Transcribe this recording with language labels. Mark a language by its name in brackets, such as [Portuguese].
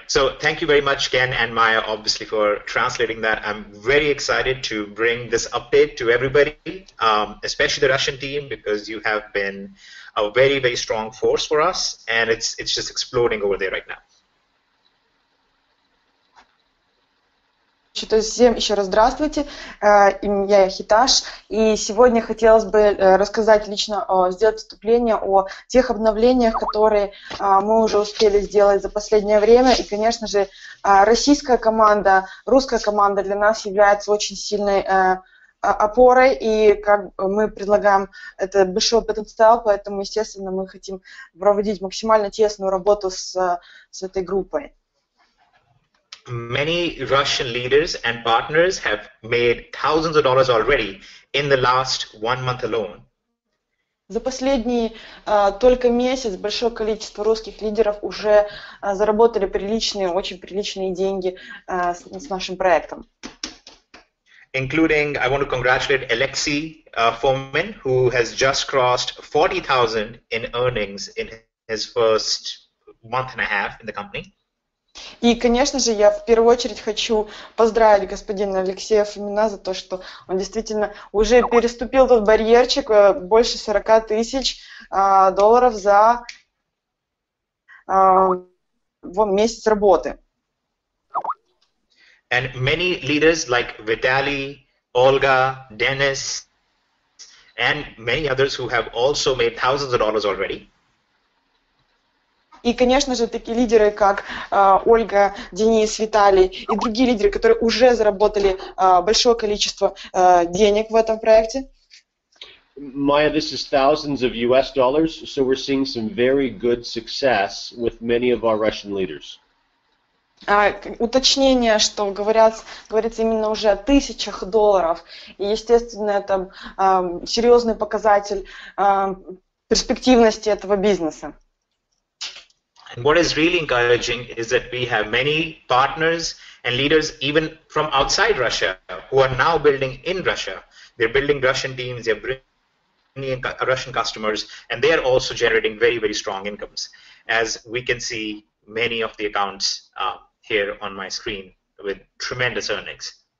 [English] So thank you very much, Ken and Maya, obviously, for translating that. I'm very excited to bring this update to everybody, especially the Russian team, because you have been a very, very strong force for us, and it's just exploding over there right now. [Russian] То есть всем еще раз здравствуйте, я Хитеш, и сегодня хотелось бы рассказать лично, сделать вступление о тех обновлениях, которые мы уже успели сделать за последнее время, и, конечно же, российская команда, русская команда для нас является очень сильной опорой, и как мы предлагаем это большой потенциал, поэтому, естественно, мы хотим проводить максимально тесную работу с этой группой. [English] Many Russian leaders and partners have made thousands of dollars already in the last one month alone. [Russian] За последний только месяц большое количество русских лидеров уже заработали приличные, очень приличные деньги с нашим проектом. [English] Including, I want to congratulate Alexey Fomin, who has just crossed 40,000 in earnings in his first month and a half in the company. [Russian] И, конечно же, я в первую очередь хочу поздравить господина Алексея Фомина за то, что он действительно уже переступил тот барьерчик больше 40 тысяч долларов за месяц работы. [English] And many leaders like Vitaly, Olga, Dennis, and many others who have also made thousands of dollars already. [Russian] И, конечно же, такие лидеры, как Ольга, Денис, Виталий и другие лидеры, которые уже заработали большое количество денег в этом проекте. [English] Maya, this is thousands of US dollars, so we're seeing some very good success with many of our Russian leaders. [Russian] Уточнение, что говорится именно уже о тысячах долларов. И, естественно, это серьезный показатель перспективности этого бизнеса. [English] And what is really encouraging is that we have many partners and leaders even from outside Russia who are now building in Russia. They're building Russian teams, they're bringing in Russian customers, and they are also generating very, very strong incomes, as we can see many of the accounts here on my screen with tremendous earnings.